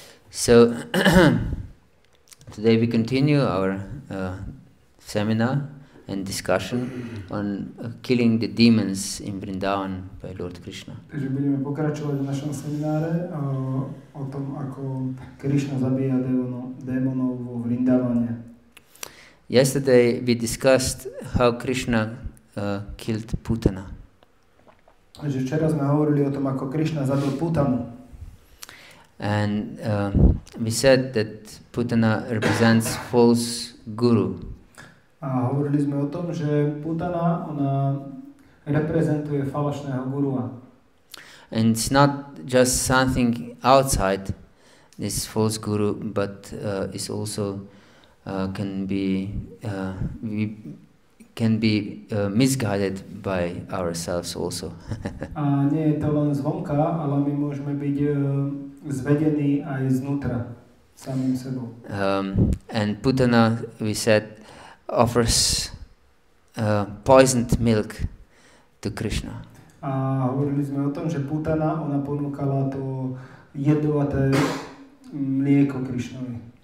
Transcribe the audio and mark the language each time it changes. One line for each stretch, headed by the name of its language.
English: So, today we continue our seminar and discussion on killing the demons in Vrindavan by Lord Krishna.
Slovak: Takže budeme pokračovať v našom semináre o tom, ako Krishna zabíja démonov vo Vrindavane.
English: Yesterday we discussed how Krishna killed Putana.
Slovak: Takže včera sme hovorili o tom, ako Krishna zabil Putanu.
English: And we said that Putana represents false guru.
Slovak: A hovorili sme o tom, že Putana, ona reprezentuje falošného gurua.
English: And it's not just something outside this false guru, but it's also can be misguided by ourselves also.
Slovak: A nie je to len zvonka, ale my môžeme byť zvedení aj znútra samým sebou.
English: And Putana, we said, offers poisoned milk to Krishna.
Slovak: A hovorili sme o tom, že Putana, ona ponúkala to jedovaté mlieko Krishnovi.